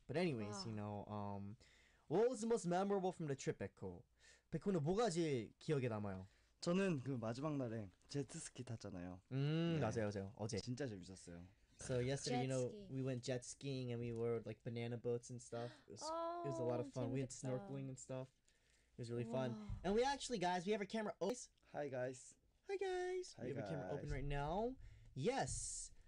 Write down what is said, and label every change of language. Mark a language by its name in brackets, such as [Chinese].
[English] But anyways, wow. You know, what was the most memorable from the trip, 백호? [Korean] 백호는 뭐가 제일 기억에 남아요? 저는 그 마지막 날에 제트스키 탔잖아요. 맞아요. 어제 진짜 재밌었어요. [English] So yesterday, you know, we went jet skiing and we rode like banana boats and stuff. It was a lot of fun. Jimmy we went snorkeling and stuff. It was really fun. And we actually, guys, we have our camera open. Hi, guys. We have our camera open right now. Yes.